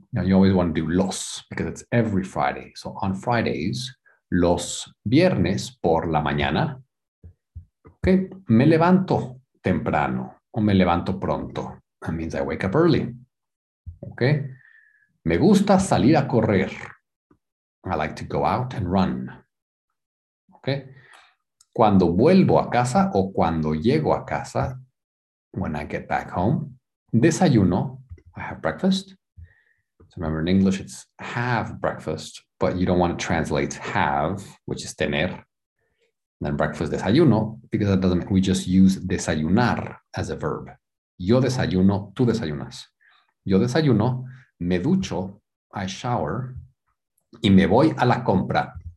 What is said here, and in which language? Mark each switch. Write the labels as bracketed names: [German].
[English] Now you always want to do los because it's every Friday. So on Fridays, [Spanish] los viernes por la mañana. Okay, me levanto temprano o me levanto pronto. [English] That means I wake up early. Okay, [Spanish] me gusta salir a correr. [English] I like to go out and run. Okay, [Spanish] cuando vuelvo a casa [English] o cuando llego a casa, when I get back home. Desayuno, I have breakfast. So remember in English it's have breakfast, but you don't want to translate have, which is tener, and then breakfast, desayuno, because that doesn't, we just use desayunar as a verb. [Spanish] Yo desayuno, tú desayunas. Yo desayuno, me ducho, [English] I shower, [Spanish] y me voy a la compra.